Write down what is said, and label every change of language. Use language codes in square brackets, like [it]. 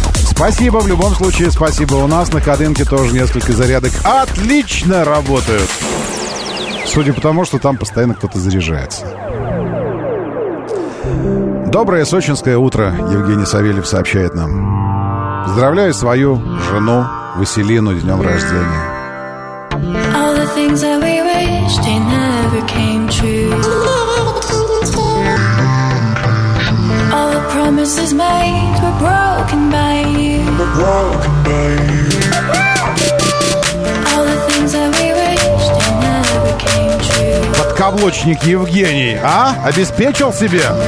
[ru] Спасибо, в любом случае, спасибо. У нас на Кадымке тоже несколько зарядок отлично работают. Судя по тому, что там постоянно кто-то заряжается. Доброе сочинское утро, Евгений Савельев сообщает нам. Поздравляю свою жену Василину с днем рождения. [en] All the things that we wish, they never came true. All the promises made were broken by you. All the things that we wish, they never came true. [ru] Подкаблучник Евгений, а? Обеспечил себе?